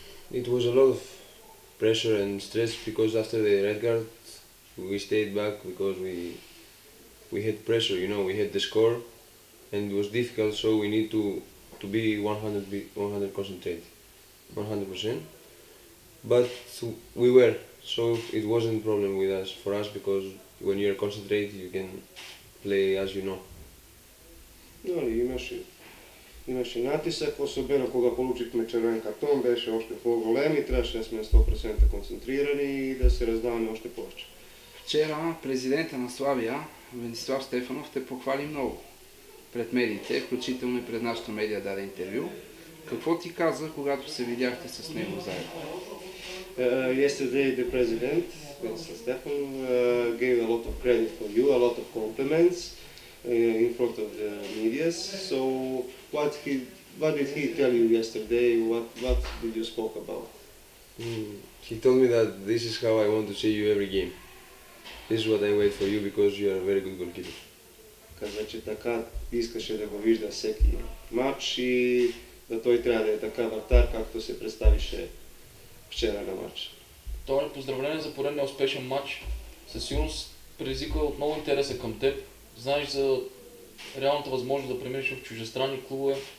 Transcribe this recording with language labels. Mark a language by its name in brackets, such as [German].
[English] It was a lot of pressure and stress because after the red card we stayed back because we had pressure, you know, we had the score and it was difficult, so we need to be 100% concentrated, 100%, but we were. So it wasn't a problem with us, for us, because when you're concentrated, you can play as you know. [Bulgarian] Нали, имаше натисък, особено кога получихме червен картон, беше още по-голем и трябваше да сме 100% концентрирани и да се раздаваме още повече. Вчера президента на Славия, Венцислав Стефанов, те похвали много пред медиите, включително и пред нашата медия даде интервю. Какво ти каза, когато се видяхте с него заедно? [English] Yesterday the president, Mr. Stefan, gave a lot of credit for you, a lot of compliments in front of the media. So what did he tell you yesterday? What did you spoke about? He told me that this is how I want to see you every game. This is what I wait for you because you are a very good goalkeeper. [Bulgarian] Каза, че така искаше да го вижда всеки матч и да той трябва да е така вратар, както се представише вчера на матч. Тони, поздравление за поредния успешен матч. Със сигурност предизвиква отново интереса към теб. Знаеш за реалната възможност да преминеш в чуждестранни клубове.